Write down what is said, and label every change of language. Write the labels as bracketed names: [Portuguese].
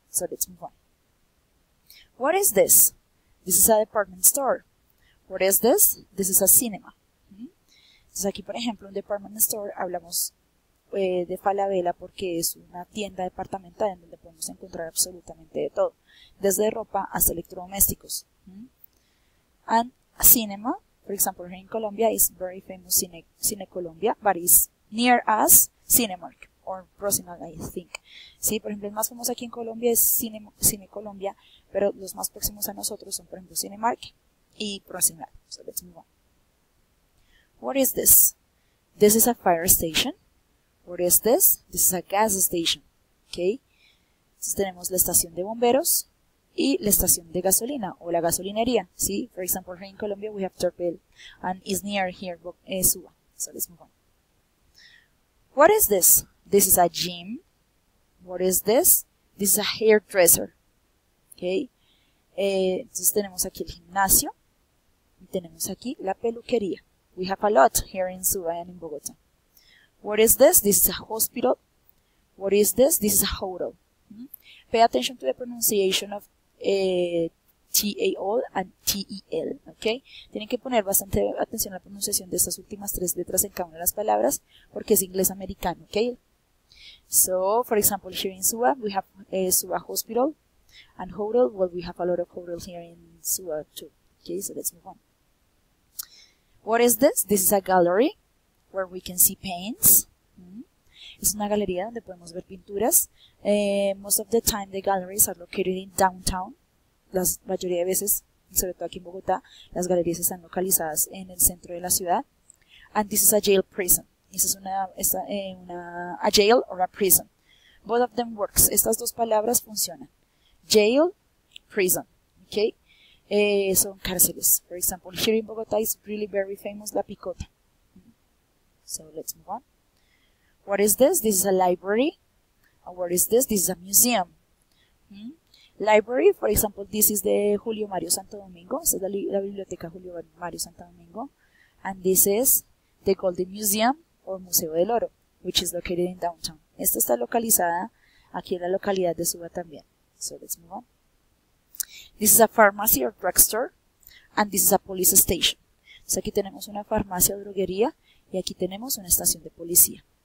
[English] So, let's move on. What is this? This is a department store. What is this? This is a cinema. [Spanish] Entonces, aquí, por ejemplo, un department store, hablamos de Falabella porque es una tienda departamental en donde podemos encontrar absolutamente de todo, desde ropa hasta electrodomésticos. [English] And a cinema, for example, here in Colombia is very famous Cine Colombia, but is near us, Cinemark, or Procinal, I think. [Spanish] Sí, por ejemplo, el más famoso aquí en Colombia es Cine Colombia, pero los más próximos a nosotros son, por ejemplo, Cinemark y Procinal. [English] So let's move on. What is this? This is a fire station. What is this? This is a gas station. Okay. [Spanish] Entonces tenemos la estación de bomberos y la estación de gasolina o la gasolinería. [English] ¿Sí? For example, here in Colombia we have Terpel and is near here, Suba. So let's move on. What is this? This is a gym. What is this? This is a hairdresser. Okay. [Spanish] Entonces tenemos aquí el gimnasio y tenemos aquí la peluquería. [English] We have a lot here in Suba and in Bogotá. What is this? This is a hospital. What is this? This is a hotel. Pay attention to the pronunciation of T-A-L and T-E-L, okay? [Spanish] Tienen que poner bastante atención a la pronunciación de estas últimas tres letras en cada una de las palabras porque es inglés americano, okay? [English] So, for example, here in Suba, we have Suba Hospital and Hotel. Well, we have a lot of hotels here in Suba too, okay? So, let's move on. What is this? This is a gallery where we can see paints. [Spanish] Es una galería donde podemos ver pinturas. [English] Most of the time, the galleries are located in downtown. [Spanish] La mayoría de veces, sobre todo aquí en Bogotá, las galerías están localizadas en el centro de la ciudad. [English] And this is a jail prison. [Spanish] Esa es [English] a jail or a prison. Both of them works. [Spanish] Estas dos palabras funcionan. Jail, prison. Okay? Son cárceles. [English] For example, here in Bogotá is really very famous La Picota. So let's move on. What is this? This is a library. And what is this? This is a museum. Library, for example, this is the Julio Mario Santo Domingo. This is [Spanish] la biblioteca [English] Julio Mario Santo Domingo. And this is the Golden Museum or Museo del Oro, which is located in downtown. [Spanish] Esta está localizada aquí en la localidad de Suba también. [English] So let's move on. This is a pharmacy or drugstore. And this is a police station. So [Spanish] aquí tenemos una farmacia o droguería. Y aquí tenemos una estación de policía.